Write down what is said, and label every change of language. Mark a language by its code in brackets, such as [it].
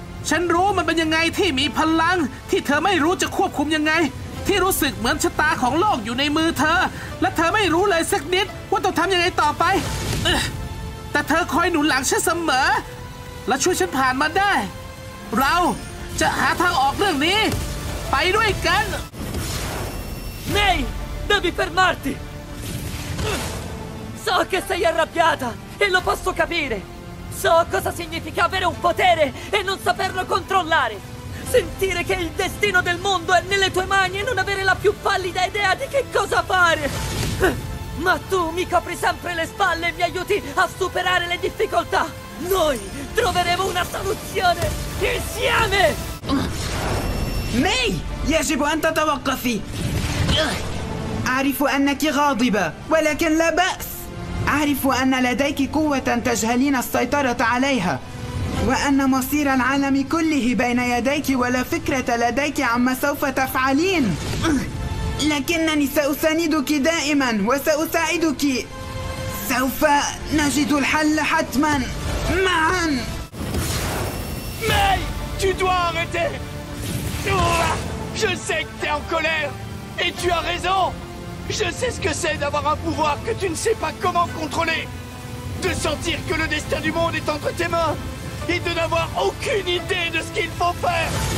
[th] ฉันรู้มันเป็นยังไงที่มีพลังที่เธอไม่รู้จะควบคุมยังไงที่รู้สึกเหมือนชะตาของโลกอยู่ในมือเธอและเธอไม่รู้เลยสักนิดว่าต้องทำยังไงต่อไปแต่เธอคอยหนุนหลังฉันเสมอและช่วยฉันผ่านมาได้เราจะหาทางออกเรื่องนี้ไปด้วยกัน [it] เน่ devi fermarti so che sei arrabbiata e lo posso capireSo cosa significa avere un potere e non saperlo controllare. Sentire che il destino del mondo è nelle tue mani e non avere la più pallida idea di che cosa fare. Ma tu mi copri sempre le spalle e mi aiuti a superare le difficoltà. Noi troveremo una soluzione insieme. [ar] Mei, يجب أن تتوقفي. أعرف أنك غاضبة ولكن لا بأس. أعرف أن لديك قوة تجهلين السيطرة عليها وأن مصير العالم كله بين يديك ولا فكرة لديك عما سوف تفعلين لكنني سأساندك دائما وسأساعدك سوف نجد الحل حتما معا [fr] ماي tu dois arrêter je sais que t'es en colère et tu as raisonJe sais ce que c'est d'avoir un pouvoir que tu ne sais pas comment contrôler. De sentir que le destin du monde est entre tes mains. Et de n'avoir aucune idée de ce qu'il faut faire.